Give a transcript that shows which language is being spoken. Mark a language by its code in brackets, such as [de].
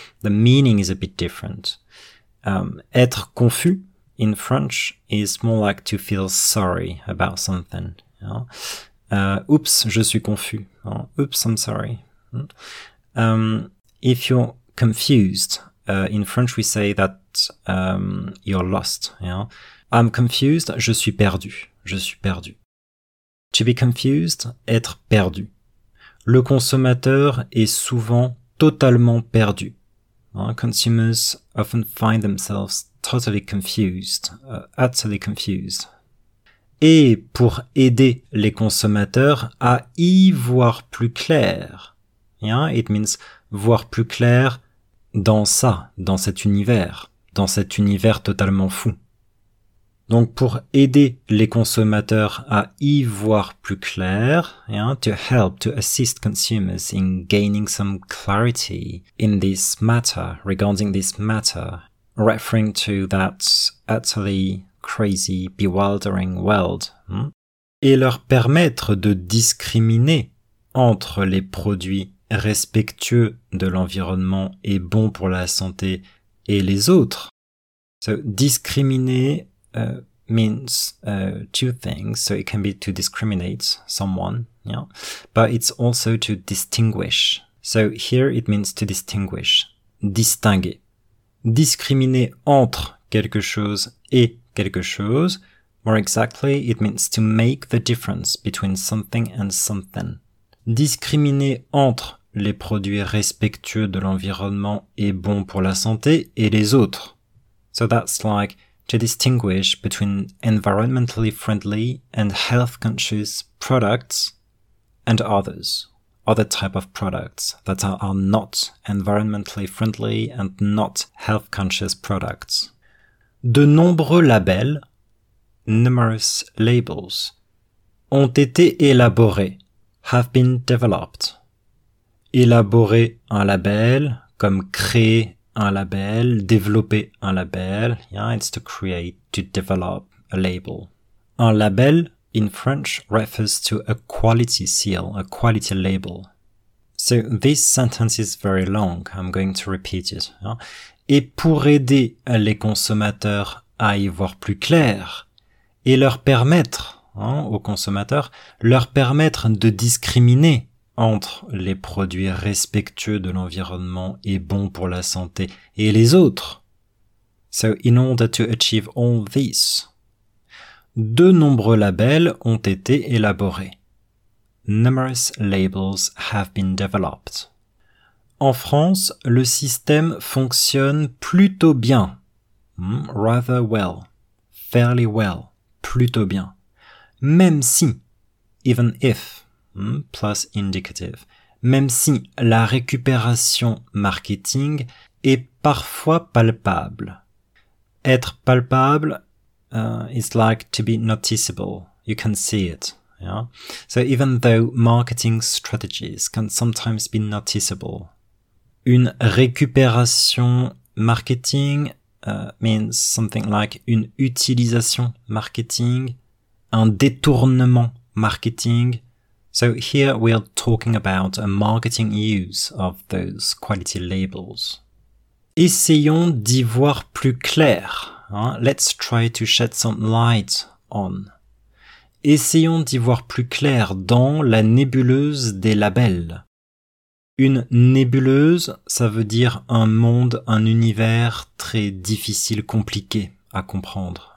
[en] The meaning is a bit different. Être confus in French is more like to feel sorry about something. Yeah? Oops, [fr] je suis confus. [en] Oops, I'm sorry. If you're confused, in French we say that you're lost. Yeah? I'm confused, [fr] je suis perdu. Je suis perdu. [en] To be confused, [fr] être perdu. Le consommateur est souvent totalement perdu. [en] Consumers often find themselves totally confused, utterly confused. [fr] Et pour aider les consommateurs à y voir plus clair, [en] yeah, it means [fr] voir plus clair dans ça, dans cet univers totalement fou. Donc pour aider les consommateurs à y voir plus clair, [en] yeah, to help, to assist consumers in gaining some clarity in this matter, regarding this matter, referring to that utterly crazy, bewildering world, [fr] et leur permettre de discriminer entre les produits respectueux de l'environnement et bons pour la santé et les autres. [en] So, discriminer means two things. So it can be to discriminate someone, yeah, but it's also to distinguish. So here it means to distinguish, distinguer. [fr] Discriminer entre quelque chose et quelque chose. [en] More exactly, it means to make the difference between something and something. [fr] Discriminer entre les produits respectueux de l'environnement et bons pour la santé et les autres. [en] So that's like to distinguish between environmentally friendly and health-conscious products and others, other type of products that are not environmentally friendly and not health-conscious products. [fr] De nombreux labels, [en] numerous labels, [fr] ont été élaborés, [en] have been developed. [fr] Élaborer un label, comme créer un label, développer un label, [en] yeah, it's to create, to develop a label. Un label, in French, refers to a quality seal, a quality label. So this sentence is very long, I'm going to repeat it. Yeah? [fr] Et pour aider les consommateurs à y voir plus clair, et leur permettre, hein, aux consommateurs, leur permettre de discriminer entre les produits respectueux de l'environnement et bons pour la santé et les autres. [en] So, in order to achieve all this, [fr] de nombreux labels ont été élaborés. [en] Numerous labels have been developed. [fr] En France, le système fonctionne plutôt bien. [en] Rather well. Fairly well. [fr] Plutôt bien. Même si, [en] even if, plus indicative. [fr] Même si la récupération marketing est parfois palpable. Être palpable [en] is like to be noticeable. You can see it. Yeah? So even though marketing strategies can sometimes be noticeable. [fr] Une récupération marketing [en] means something like [fr] une utilisation marketing, un détournement marketing. [en] So here we are talking about a marketing use of those quality labels. [fr] Essayons d'y voir plus clair. Hein? [en] Let's try to shed some light on. [fr] Essayons d'y voir plus clair dans la nébuleuse des labels. Une nébuleuse, ça veut dire un monde, un univers très difficile, compliqué à comprendre.